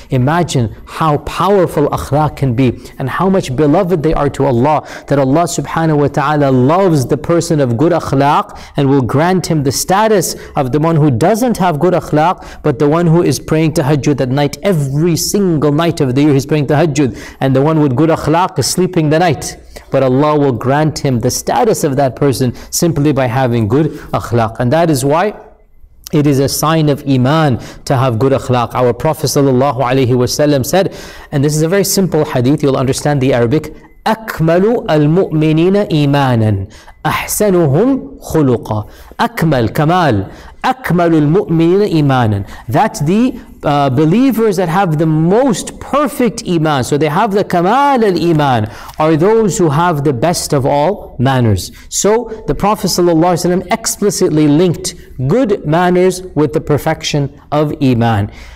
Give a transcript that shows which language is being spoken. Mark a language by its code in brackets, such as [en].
[en] Imagine how powerful akhlaq can be, and how much beloved they are to Allah, that Allah subhanahu wa ta'ala loves the person of good akhlaq and will grant him the status of the one who doesn't have good akhlaq, but the one who is praying tahajjud at night, every single night of the year he's praying tahajjud, and the one with good akhlaq is sleeping the night. But Allah will grant him the status of that person simply by having good akhlaq. And that is why it is a sign of iman to have good akhlaq. Our Prophet sallallahu alaihi wasallam said, and this is a very simple hadith, you'll understand the Arabic, [ar] أكمل المؤمنين إيمانا أحسنهم خلقا. أكمل كمال. أكمل المؤمنين إيمانا. [en] That's the believers that have the most perfect iman. So they have the kamal al-iman, are those who have the best of all manners. So the Prophet sallallahu alaihi wasallam explicitly linked good manners with the perfection of iman.